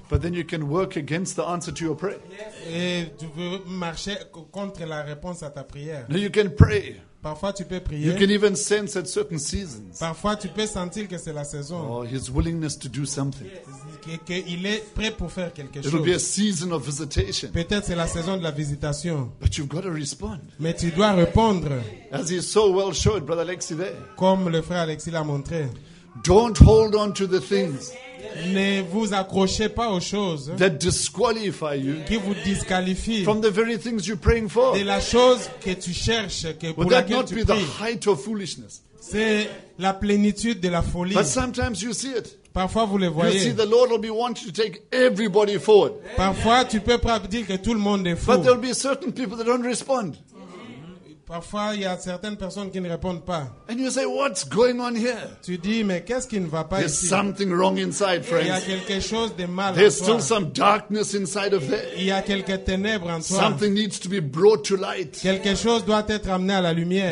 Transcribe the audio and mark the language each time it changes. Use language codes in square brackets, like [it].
[en] But then you can work against the answer to your prayer. [fr] Et tu peux marcher contre la réponse à ta prière. [en] Now, you can pray. [fr] Parfois tu peux prier. [en] You can even sense at certain seasons. [fr] Parfois tu peux sentir que c'est la saison. [en] Oh, his willingness to do something. [fr] Qu'il est prêt pour faire quelque chose. [en] It'll be a season of visitation. [fr] Peut-être c'est la saison de la visitation. [en] But you've got to respond. [fr] Mais tu dois répondre. [en] As he so well showed, Brother Alexis there. [fr] Comme le frère Alexis l'a montré. [en] Don't hold on to the things. [fr] Ne vous accrochez pas aux choses. [en] That disqualify you. [fr] Qui vous disqualifient. [en] From the very things you're praying for. [fr] De la chose que tu cherches, que pour laquelle tu pries. [en] Would that not be the height of foolishness? [fr] C'est la plénitude de la folie. [en] But sometimes you see it. [fr] Parfois vous le voyez. [en] You see, the Lord will be wanting to take everybody forward. [fr] Parfois tu peux dire que tout le monde est fou. [en] But there'll be certain people that don't respond. [fr] Parfois, il y a certaines personnes qui ne répondent pas. [en] And you say, what's going on here? [fr] Tu dis, mais qu'est-ce qui ne va pas [en] There's [fr] ici? [en] Something wrong inside, friends. [fr] Il y a quelque chose de mal [en] There's [fr] en toi. [en] Still some darkness inside of it. [fr] Il y a quelques ténèbres en toi. [en] Something needs to be brought to light. [fr] Quelque chose doit être amené à la lumière.